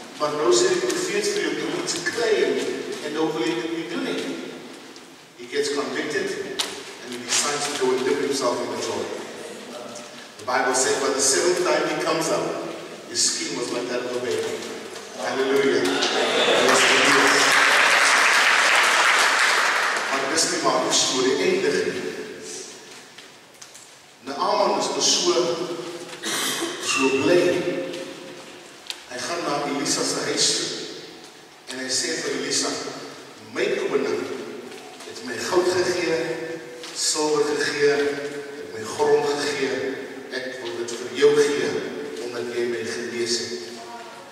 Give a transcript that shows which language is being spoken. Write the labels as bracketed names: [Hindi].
[Afrikaans] maar nou sê die profeet vir jou, jy moet se kry en nou wil jy dit nie doen nie. [English] He gets convicted and he decides to go and dip himself in the Jordan. The Bible says, by the seventh time he comes up, his skin was like that of a baby. Hallelujah. [Afrikaans] Maar dis nie maar die storie eindig nie. Naaman is nou so bly. Hy gaan na Elisa se huis toe en hy sê vir Elisa, my koning het my goud gegee, silwer gegee, het my grond gegee, ek wil dit vir jou gee, omdat jy my genees het.